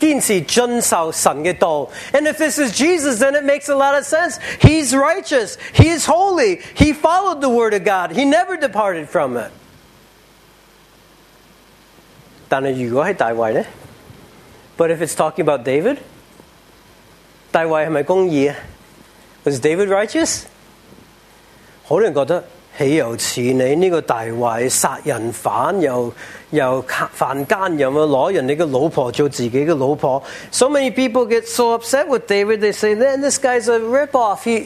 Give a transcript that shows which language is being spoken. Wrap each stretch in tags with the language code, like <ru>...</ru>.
<zh>如果是讲耶稣的公义,他没犯罪,他就是一路坚持遵守神的道.</zh> <en>And if this is Jesus, then it makes a lot of sense. He's righteous, he's holy, he followed the word of God, he never departed from it.</en> <zh>但是如果是大卫呢?</zh> <en>But if it's talking about David?</en> <zh>大卫是不是公义?</zh> <en>Was David righteous?</en> <zh>很多人觉得岂有此理,这个大坏,杀人犯,又犯奸,又拿人的老婆做自己的老婆.</zh> <en>So many people get so upset with David, they say, man, this guy's a ripoff.</en>